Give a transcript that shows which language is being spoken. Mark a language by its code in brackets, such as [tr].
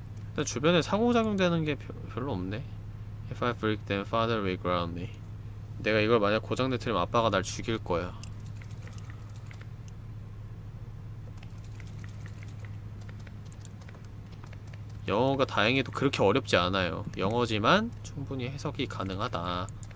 [ko] 일단 주변에 상호작용 되는 게 별로 없네. [en] If I break then father will ground me. [ko] 내가 이걸 만약 고장 내트리면 아빠가 날 죽일 거야. 영어가 다행히도 그렇게 어렵지 않아요. 영어지만 충분히 해석이 가능하다.